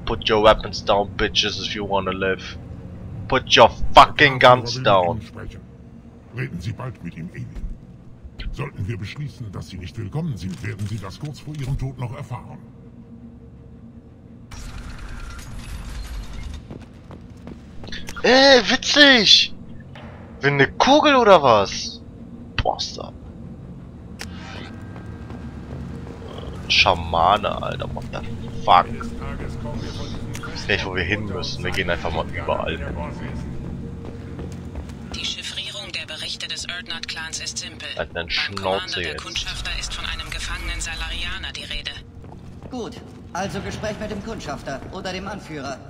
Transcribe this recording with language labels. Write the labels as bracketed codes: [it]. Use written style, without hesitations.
[en] Put your weapons down, Bitches, if you wanna live. Put your fucking guns down. [de] Reden Sie bald mit dem Alien. Sollten wir beschließen, dass Sie nicht willkommen sind, werden Sie das kurz vor Ihrem Tod noch erfahren. Witzig! Wie eine Kugel oder was? Boah, Schamane, Alter, [en] what the fuck? [de] Ich weiß nicht, wo wir hin müssen. Wir gehen einfach mal überall. Die Chiffrierung der Berichte des Erdnard-Clans ist simpel. Halt einen Schnauze jetzt. Der Kundschafter ist von einem gefangenen Salarianer die Rede. Gut, also Gespräch mit dem Kundschafter oder dem Anführer.